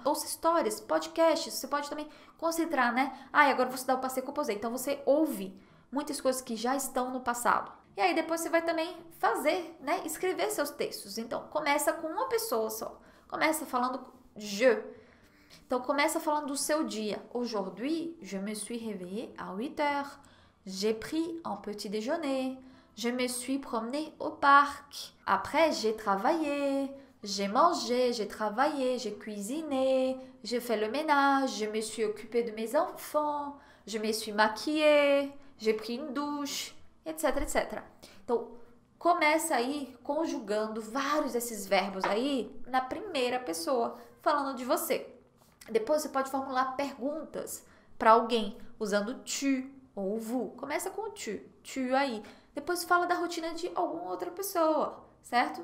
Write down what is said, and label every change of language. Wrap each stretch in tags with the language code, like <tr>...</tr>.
<pt>Ouça histórias, podcasts. Você pode também concentrar, né? Ah, e agora você dá o passé composé. Então, você ouve muitas coisas que já estão no passado. E aí, depois, você vai também fazer, né? Escrever seus textos. Então, começa com uma pessoa só. Começa falando. Je. Então começa falando do seu dia.</pt> <fr>Aujourd'hui, je me suis réveillée à 8h. J'ai pris un petit déjeuner. Je me suis promenée au parc. Après, j'ai travaillé. J'ai mangé, j'ai travaillé, j'ai cuisiné. J'ai fait le ménage. Je me suis occupée de mes enfants. Je me suis maquillée. J'ai pris une douche. Etc, etc.</fr> <pt>Então começa aí conjugando vários desses verbos aí na primeira pessoa. Falando de você. Depois você pode formular perguntas para alguém usando tu ou vu. Começa com tu aí. Depois fala da rotina de alguma outra pessoa, certo?</pt>